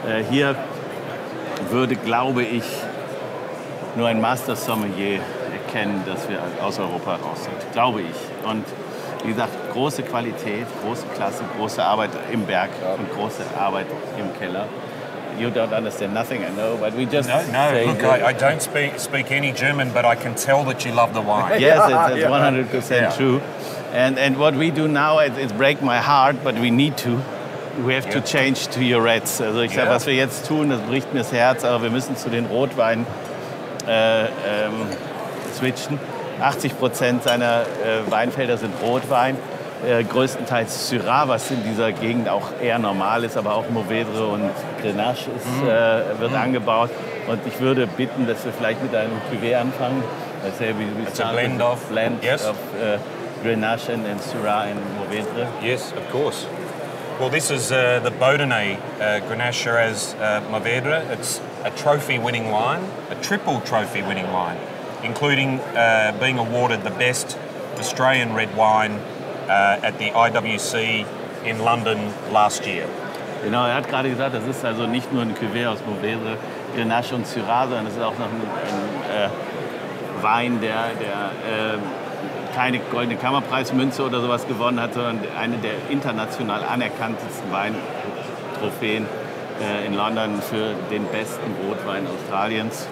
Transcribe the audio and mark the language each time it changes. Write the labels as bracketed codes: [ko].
[de] Hier würde, glaube ich, nur ein Master Sommelier erkennen, dass wir aus Europa raus sind. Glaube ich. Und wie gesagt, große Qualität, große Klasse, große Arbeit im Berg und große Arbeit im Keller. [en] You don't understand nothing, I know, but we just... No, look, I don't speak any German, but I can tell that you love the wine. Yes, it's 100% true. And what we do now, it break my heart, but we need to. We have to change to your reds. [de] Also ich sage, was wir jetzt tun, das bricht mir das Herz, aber wir müssen zu den Rotweinen switchen. 80% seiner Weinfelder sind Rotwein, größtenteils Syrah, was in dieser Gegend auch eher normal ist, aber auch Mourvèdre und Grenache wird angebaut. Und ich würde bitten, dass wir vielleicht mit einem Cuvée anfangen. Das ist ein [en] Blend of Grenache and Syrah and Mourvèdre. Yes, of course. Well, this is the Beaudenay Grenache Shiraz Mourvèdre. It's a trophy-winning wine, a triple trophy-winning wine, including being awarded the best Australian red wine at the IWC in London last year. [de] Genau, er hat gerade gesagt, das ist also nicht nur ein Cuvée aus Mourvèdre, Grenache und Syrah, sondern es ist auch noch ein Wein, der keine Goldene Kammerpreismünze oder sowas gewonnen hat, sondern eine der international anerkanntesten Weintrophäen in London für den besten Rotwein Australiens.